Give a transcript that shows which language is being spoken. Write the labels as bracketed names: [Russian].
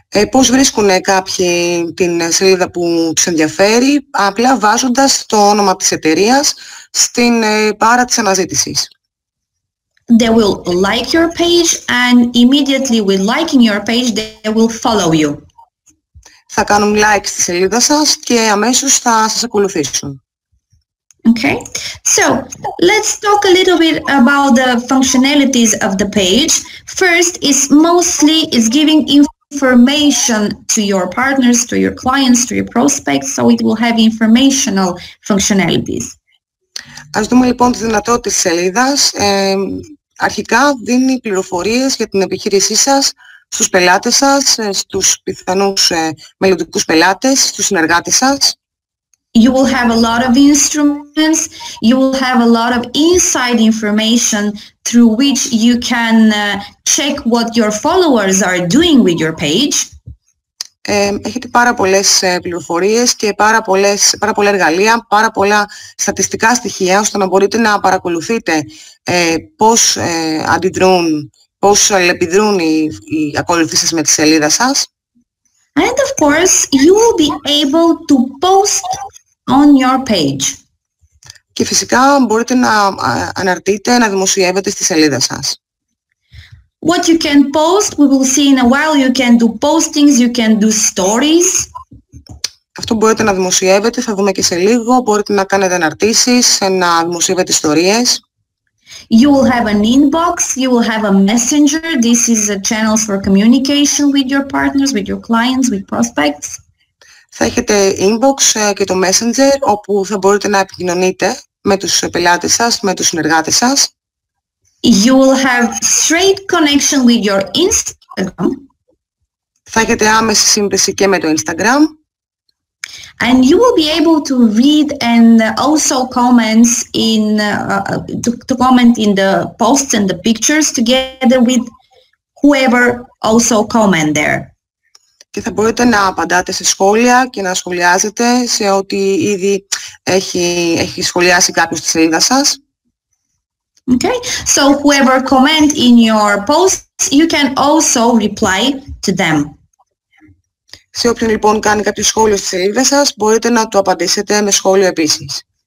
[Greek] Πώς βρίσκουν κάποιοι την σελίδα που τους ενδιαφέρει, απλά βάζοντας το όνομα της εταιρείας στην μπάρα της αναζήτησης. [English] They will like your page and immediately with liking your page they will follow you. [Greek] Θα κάνουν like στη σελίδα σας και αμέσως θα σας ακολουθήσουν. [English] Okay, so let's talk a little bit about the functionalities of the page. First is mostly is giving information to your partners, to your clients, to your prospects, so it will have informational functionalities. [Greek] Ας δούμε λοιπόν τις δυνατότητες της σελίδας. Αρχικά δίνει πληροφορίες για την επιχείρησή σας στους πελάτες σας, στους πιθανούς μελλοντικούς πελάτες, στους συνεργάτες σας. [English] You will have a lot of instruments, you will have a lot of inside information through which you can check what your followers are doing with your page. [Greek] Έχετε πάρα πολλές πληροφορίες και πάρα πολλά εργαλεία, πάρα πολλά στατιστικά στοιχεία ώστε να μπορείτε να παρακολουθείτε πώς αντιδρούν, πώς αλληλεπιδρούν οι ακολουθήσεις σας με τη σελίδα σας. [English] And of course, you will be able to post on your page. [Greek] Και φυσικά μπορείτε να αναρτείτε, να δημοσιεύετε στη σελίδα σας. [English] What you can post, we will see in a while, you can do postings, you can do stories. [Greek] Αυτό μπορείτε να δημοσιεύετε, θα δούμε και σε λίγο, μπορείτε να κάνετε αναρτήσεις, να δημοσιεύετε ιστορίες. [English] You will have an inbox, you will have a messenger, this is a channel for communication with your partners, with your clients, with prospects. [Greek] Θα έχετε inbox και το messenger, όπου θα μπορείτε να επικοινωνείτε με τους πελάτες σας, με τους συνεργάτες σας. [English] You will have straight connection with your Instagram. [Greek] Θα έχετε άμεση σύνδεση και με το Instagram. [English] And you will be able to read and also comments in to comment in the posts and the pictures together with whoever also comment there. [Greek] Και θα μπορείτε να απαντάτε σε σχόλια και να σχολιάζετε σε ό,τι ήδη έχει σχολιάσει κάποιος στη σελίδα σας. [English] Okay, so whoever comment in your posts, you can also reply to them. [Greek] Σε όποιον λοιπόν κάνει κάποιο σχόλιο στη σελίδα σας, μπορείτε να το απαντήσετε με σχόλιο επίσης.